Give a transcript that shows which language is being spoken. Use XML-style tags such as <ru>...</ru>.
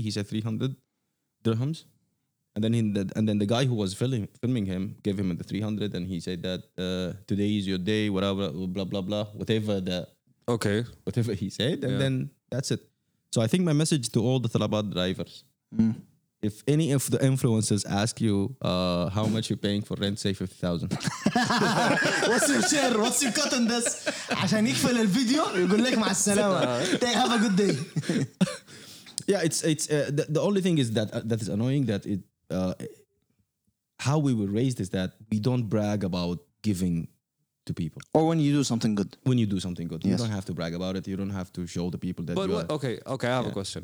<en>He said 300 dirhams, and then the guy who was filming him gave him the 300, and he said that today is your day, whatever, blah blah blah, whatever he said, and then that's it. So I think my message to all the Talabat drivers, if any of the influencers ask you how much you're paying for rent, say 50,000. What's your share? What's your cut on this?</en> <ar>عشان يقفل الفيديو يقول لك مع السلامة.</ar> <en>Have a good day. Yeah, it's the only thing is that that is annoying, that it how we were raised is that we don't brag about giving to people. Or when you do something good. When you do something good. Yes. You don't have to brag about it. You don't have to show the people that I have a question.</en>